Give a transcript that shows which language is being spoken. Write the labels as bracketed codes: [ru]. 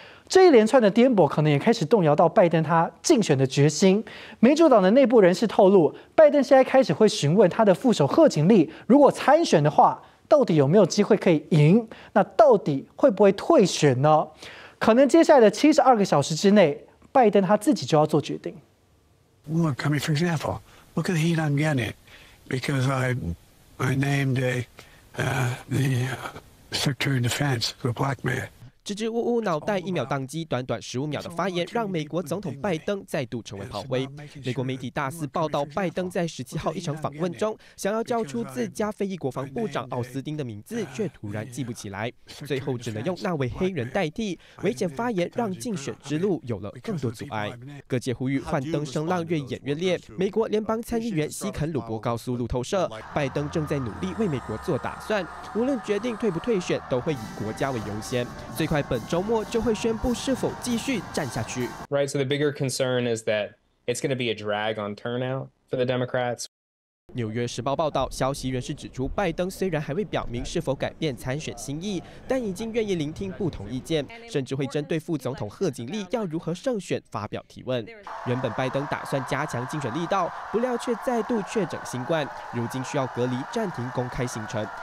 [zh] 这一连串的颠簸可能也开始动摇到拜登他竞选的决心。民主党的内部人士透露，拜登现在开始会询问他的副手贺锦丽，如果参选的话到底有没有机会可以赢，那到底会不会退选呢？可能接下来的72个小时之内，拜登他自己就要做决定。 [en] Look, I mean, for example, look at the heat I'm getting because I named the Secretary of Defense, a black man. [zh] 支支吾吾，脑袋一秒宕机，短短15秒的发言让美国总统拜登再度成为炮灰。美国媒体大肆报道，拜登在17号一场访问中，想要叫出自家非裔国防部长奥斯汀的名字，却突然记不起来，最后只能用那位黑人代替。危险发言让竞选之路有了更多阻碍。各界呼吁换灯，声浪越演越烈。美国联邦参议员西肯鲁伯告诉路透社，拜登正在努力为美国做打算，无论决定退不退选，都会以国家为优先。最快本周末就会宣布是否继续站下去。 [en] Right, so the bigger concern is that it's going to be a drag on turnout for the Democrats. [zh] 《纽约时报》报道，消息人士指出，拜登虽然还未表明是否改变参选心意，但已经愿意聆听不同意见，甚至会针对副总统贺锦丽要如何胜选发表提问。原本拜登打算加强竞选力道，不料却再度确诊新冠，如今需要隔离暂停公开行程。